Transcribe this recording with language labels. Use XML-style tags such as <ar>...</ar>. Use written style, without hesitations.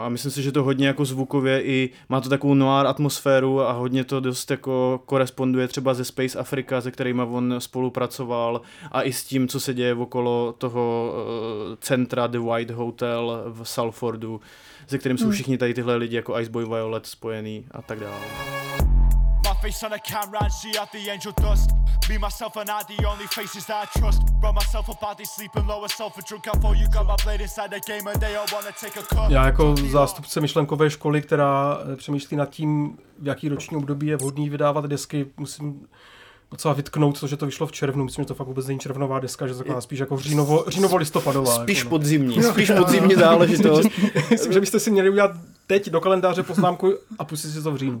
<cs>A myslím si, že to hodně jako zvukově i má to takovou noir atmosféru a hodně to dost jako koresponduje třeba ze Space Africa, se kterýma on spolupracoval a i s tím, co se děje okolo toho centra The White Hotel v Salfordu, se kterým jsou všichni tady tyhle lidi jako Ice Boy Violet spojený a tak dále.</cs> <en>Face on a camera and see out the angel dust. Be myself and I, the only faces that I trust. Run myself a body, sleeping low, a sulfur drunk. I thought you got my blade inside the game and they all wanna take a cut.</en> <cs>Já jako zástupce myšlenkové školy, která přemýšlí nad tím, v jaký roční období je vhodný vydávat desky, musím docela vytknout to, že to vyšlo v červnu. Myslím, že to fakt vůbec není červnová deska, že taková spíš jako říjnovo-listopadová. Spíš jako, podzimní, no. Spíš podzimní záležitost. Myslím, že byste si měli udělat teď do kalendáře poznámku a pustit si to v říjnu.</cs>